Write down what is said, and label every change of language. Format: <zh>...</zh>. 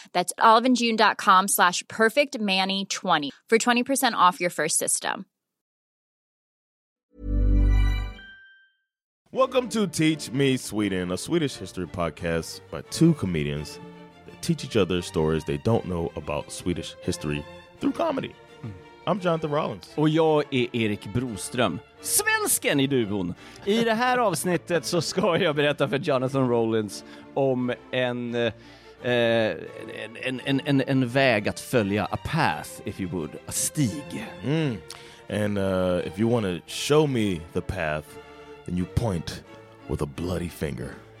<en>That's oliveandjune.com/perfectmanny20 for 20% off your first system. Welcome to Teach Me Sweden, a Swedish history podcast by two comedians that teach each other stories they don't know about Swedish history through comedy. I'm Jonathan Rollins.</en> <sv>Och jag är Erik Broström. Svensken i duon! I det här avsnittet så ska jag berätta för Jonathan Rollins om en väg att följa, a path, if you would, a stig.</sv> <en>And if you want to show me the path, then you point with a bloody finger.</en>